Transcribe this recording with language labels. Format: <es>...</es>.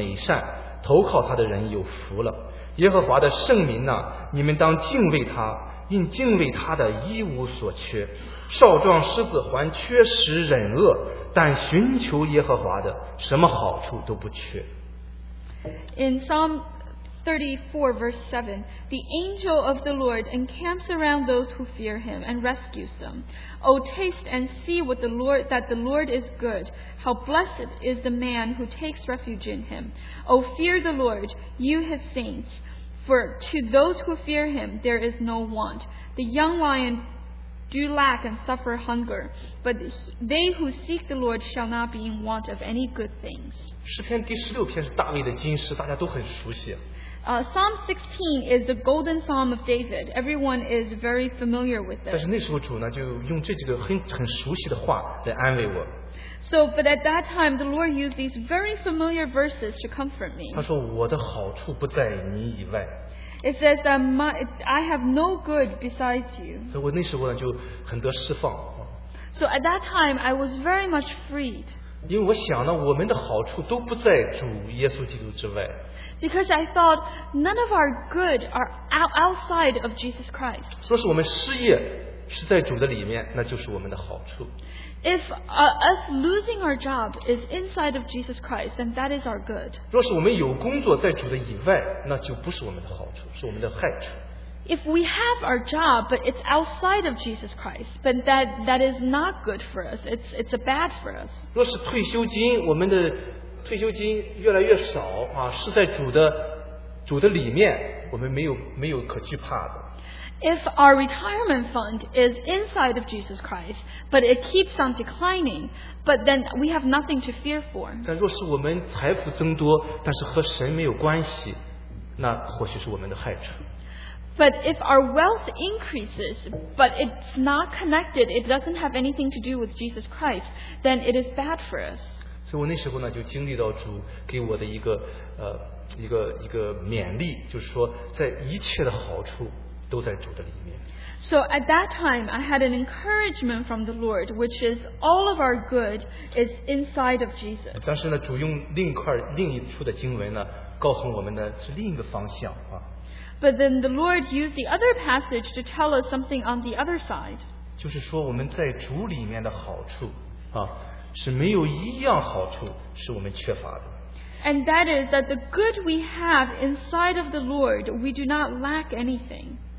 <zh>这里讲到耶和华的使者在敬畏他的人四围安营，搭救他们，你们要尝尝主恩的滋味，便知道他是美善，投靠他的人有福了。耶和华的圣民呐，你们当敬畏他，因敬畏他的一无所缺。少壮狮子还缺食忍饿，但寻求耶和华的，什么好处都不缺。</zh> <en>In Psalm 34, verse 7, the angel of the Lord encamps around those who fear him and rescues them. O taste and see what the Lord is good. How blessed is the man who takes refuge in him. O fear the Lord, you his saints. For to those who fear him, there is no want. The young lion do lack and suffer hunger, but they who seek the Lord shall not be in want of any good things.</en> <zh>诗篇第16篇是大卫的经诗, 大家都很熟悉。</zh> <en>Psalm 16 is the golden psalm of David. Everyone is very familiar with it.</en> <zh>但是那时候主呢, 就用这几个很熟悉的话来安慰我。</zh> <en>So, but at that time, the Lord used these very familiar verses to comfort me.</en> <zh>他说, 我的好处不在你以外。</zh> <en>It says that I have no good besides you.</en> <zh>所以我那时候呢, 就很得释放。</zh> <en>So at that time, I was very much freed.</en> <zh>因为我想呢, 我们的好处都不在主耶稣基督之外。</zh> <en>Because I thought none of our good are outside of Jesus Christ.</en> <zh>若是我们失业是在主的里面, 那就是我们的好处。</zh> <en>If us losing our job is inside of Jesus Christ, then that is our good.</en> <zh>若是我们有工作在主的以外, 那就不是我们的好处, 是我们的害处。</zh> <en>If we have our job, but it's outside of Jesus Christ, but that is not good for us, it's a bad for us.</en> <zh>若是退休金, 我们的退休金越来越少, 啊, 是在主的里面, 我们没有可惧怕的。</zh> <en>If our retirement fund is inside of Jesus Christ, but it keeps on declining, but then we have nothing to fear for.</en> <zh>但若是我们财富增多, 但是和神没有关系, 那或许是我们的害处。</zh> <en>But if our wealth increases, but it's not connected, it doesn't have anything to do with Jesus Christ, then it is bad for us.</en> <zh>所以我那时候呢, 就经历到主给我的一个, 一个勉励, 就是说在一切的好处,</zh> <en>So at that time, I had an encouragement from the Lord, which is all of our good is inside of Jesus.</en> <zh>但是呢, 主用另一处的经文呢, 告诉我们呢, 是另一个方向, 啊。</zh> <en>But then the Lord used the other passage to tell us something on the other side.</en> <zh>就是说我们在主里面的好处, 啊, 是没有一样好处, 是我们缺乏的。</zh> <en>And that is that the good we have inside of the Lord, we do not lack anything.</en>